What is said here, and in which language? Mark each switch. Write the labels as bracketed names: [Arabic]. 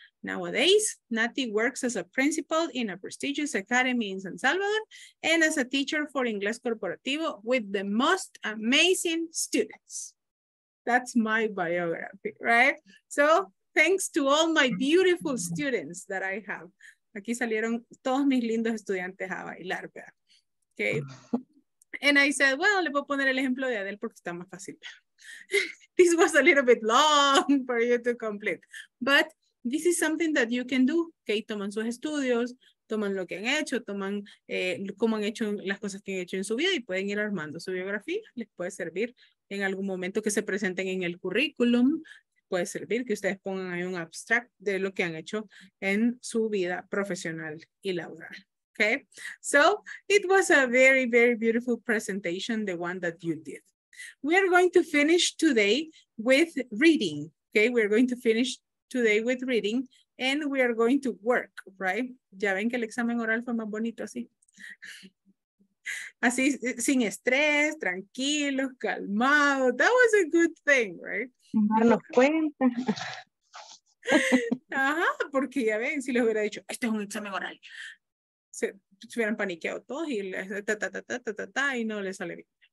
[English] Nowadays, Nati works as a principal in a prestigious academy in San Salvador and as a teacher for [Spanish] Ingles Corporativo [English] with the most amazing students. That's my biography, right? So thanks to all my beautiful students that I have. [Spanish] Aquí salieron todos mis lindos estudiantes a bailar, ¿verdad? Okay. And I said, well, le puedo poner el ejemplo de Adele porque está más fácil. [English] This was a little bit long for you to complete, but this is something that you can do, okay? [Spanish] Toman sus estudios, toman lo que han hecho, toman cómo han hecho las cosas que han hecho en su vida y pueden ir armando su biografía. Les puede servir en algún momento que se presenten en el currículum. Puede servir que ustedes pongan ahí un abstract de lo que han hecho en su vida profesional y laboral, okay? [English] So it was a very, very beautiful presentation, the one that you did. We are going to finish today with reading, okay? We are going to finish today with reading, and we are going to work, right? [Spanish] Ya ven que el examen oral fue más bonito así. Así, sin estrés, tranquilo, calmado. [English] That was a good thing, right? [Spanish] Darnos cuenta. Ajá, porque ya ven, si les hubiera dicho, este es un examen oral, se hubieran paniqueado todos y y no les sale bien.